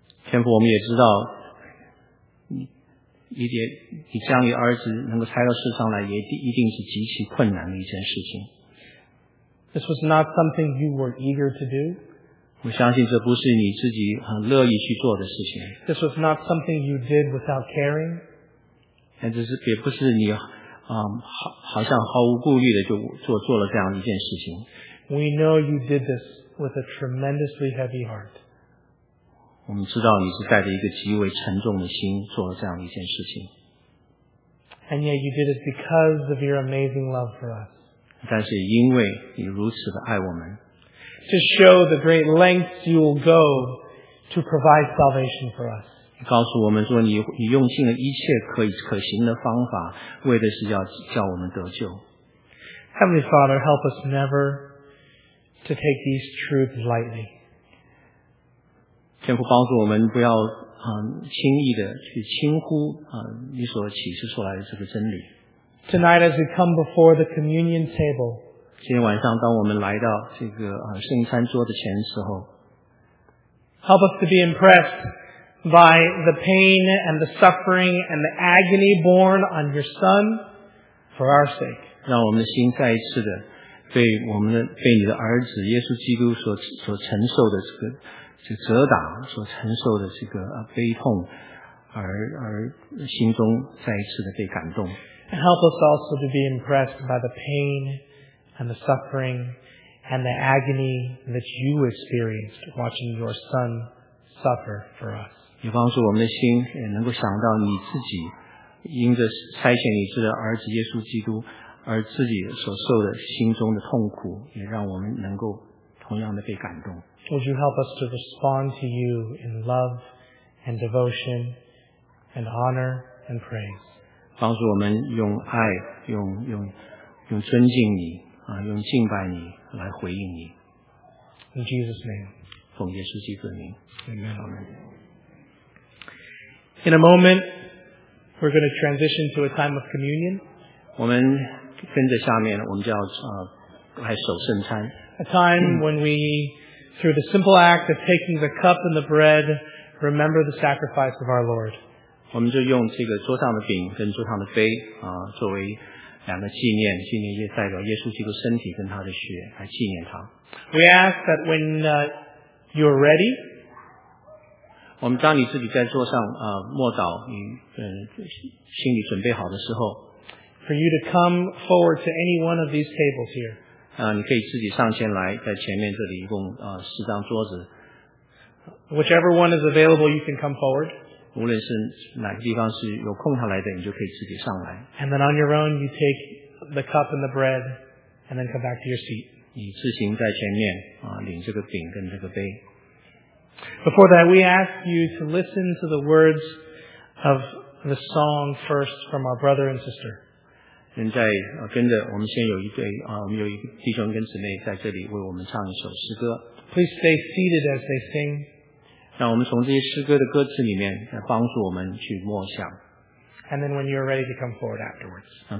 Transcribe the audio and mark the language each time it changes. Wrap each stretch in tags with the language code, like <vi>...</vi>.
<zh>天父，我们也知道你将你儿子能够差到世上来，也一定是极其困难的一件事情。</zh> <en>This was not something you were eager to do.</en> <zh>我相信这不是你自己很乐意去做的事情。</zh> <en>This was not something you did without caring.</en> <zh>也不是你好像毫无顾虑的就 做了这样一件事情。</zh> <en>We know you did this with a tremendously heavy heart.</en> <zh>我们知道你是带着一个极为沉重的心做了这样一件事情。</zh> <en>And yet you did it because of your amazing love for us.</en> <zh>但是因为你如此的爱我们。</zh> <en>To show the great lengths you will go to provide salvation for us.</en> <zh>告诉我们说 你用尽了一切可行的方法，为的是要叫我们得救。</zh> <en>Heavenly Father, help us never to take these truths lightly.</en> <zh>天父帮助我们不要轻易的去轻忽你所启示出来的这个真理。</zh> <en>Tonight as we come before the communion table,</en> <zh>今天晚上当我们来到这个圣餐桌的前时候，</zh> <en>help us to be impressed. By the pain and the suffering and the agony borne on your son for our sake.</en> <zh>让我们的心再一次的被你的儿子耶稣基督所承受的这个责打，所承受的这个悲痛，而心中再一次的被感动。</zh> <en>And help us also to be impressed by the pain and the suffering and the agony that you experienced watching your son suffer for us.</en> <zh>也帮助我们的心也能够想到你自己因着差遣你的儿子耶稣基督而自己所受的心中的痛苦，也让我们能够同样的被感动。</zh> <en>Would you help us to respond to you in love and devotion and honor and praise?</en> <zh>帮助我们用爱，用尊敬你用敬拜你来回应你。</zh> <en>In Jesus' name.</en> <zh>奉耶稣基督的名。</zh> <en>Amen. Amen. In a moment, we're going to transition to a time of communion.</en> <zh>我们跟着下面，我们就要来守圣餐。</zh> <en>A time when we, through the simple act of taking the cup and the bread, remember the sacrifice of our Lord.</en> <zh>我们就用这个桌上的饼跟桌上的杯作为两个纪念，纪念也代表耶稣基督身体跟他的血来纪念他。</zh> <en>We ask that when you're ready,</en> <zh>我们当你自己在桌上默祷你心里准备好的时候</zh> <en>for you to come forward to any one of these tables here</en> <zh>你可以自己上前来在前面这里一共四张桌子</zh> <en>whichever one is available you can come forward</en> <zh>无论是哪个地方是有空下来的你就可以自己上来</zh> <en>and then on your own you take the cup and the bread and then come back to your seat</en> <zh>你自行在前面领这个饼跟这个杯</zh> <en>Before that, we ask you to listen to the words of the song first from our brother and sister.</en> <zh>现在跟着我们先有一对我们有一弟兄跟姊妹在这里为我们唱一首诗歌。</zh> <en>Please stay seated as they sing.</en> <zh>让我们从这些诗歌的歌词里面来帮助我们去默想。</zh> <en>And then when you're ready to come forward afterwards.</en>